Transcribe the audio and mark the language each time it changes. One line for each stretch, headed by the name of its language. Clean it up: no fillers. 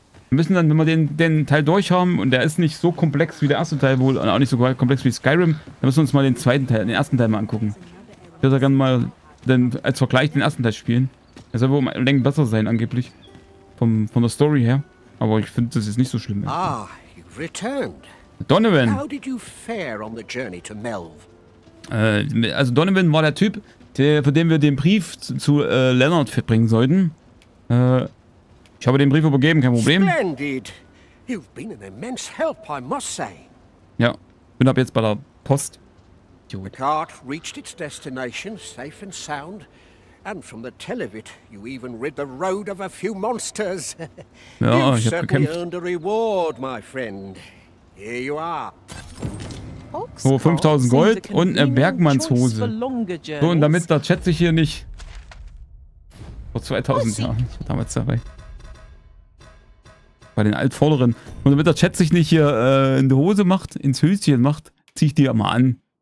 German: Wir müssen dann, wenn wir den Teil durch haben, und der ist nicht so komplex wie der erste Teil wohl, und auch nicht so komplex wie Skyrim, dann müssen wir uns mal den ersten Teil mal angucken. Ich würde da gerne mal als Vergleich den ersten Teil spielen. Er soll wohl um Längen besser sein, angeblich. Von der Story her. Aber ich finde, das ist nicht so schlimm.
English: Ah, you've returned. Donovan! How did you fare on the journey to Melv?
German: Also Donovan war der Typ, von dem wir den Brief zu Leonard verbringen sollten. Ich habe den Brief übergeben, kein Problem.
English: Splendid. You've been an immense help, I must say.
German: Ja, bin ab jetzt bei der Post.
English: The cart reached its destination safe and sound, And from the tell of it, you even rid the road of a few monsters.
German: Ja,
English: you've certainly
German: gekämpft.
English: Earned a reward, my friend. Here you are.
German: So, 5000 Gold und eine Bergmannshose. So, und damit, das schätze ich hier nicht. Vor 2000 Jahren, ich war damals dabei. Bei den Altvorderen. Und damit, das schätze ich nicht hier in die Hose macht, ins Höschen macht, ziehe ich die ja mal an.